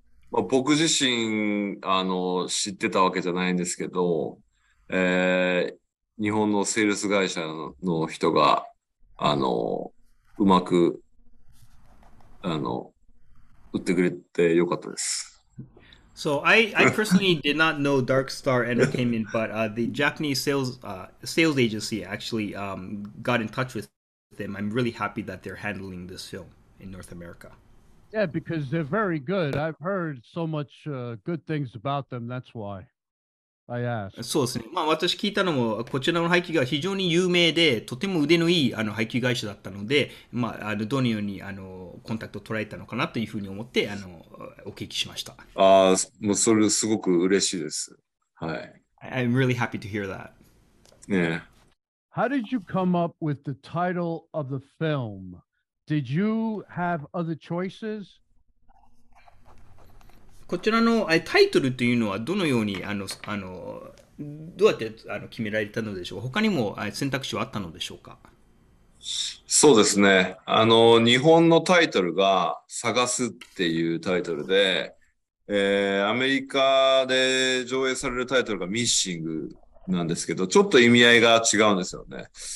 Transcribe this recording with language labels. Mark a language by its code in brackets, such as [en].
[ja] まあ、僕自身知ってたわけじゃないんですけど、日本のセールス会社の人がうまく売ってくれてよかったです。 [en] So I personally did not know Dark Star Entertainment, but the Japanese sales agency actually got in touch with them. I'm really happy that they're handling this film in North America. Yeah, because they're very good. I've heard so much good things about them. That's why I asked. [ja] そうですね。まあ私聞いたのもこちらの配給が非常に有名で、とても腕のいい配給会社だったので、まあどのようにコンタクトを捉えたのかなというふうに思ってお聞きしました。ああ、もうそれすごく嬉しいです。はい。 [en] I'm really happy to hear that. Yeah. How did you come up with the title of the film? Did you have other choices? [ja] こちらのタイトルというのはどのようにどうやって決められたのでしょう。他にも選択肢はあったのでしょうか。そうですね。日本のタイトルが探すっていうタイトルで、アメリカで上映されるタイトルがミッシングなんですけど、ちょっと意味合いが違うんですよね。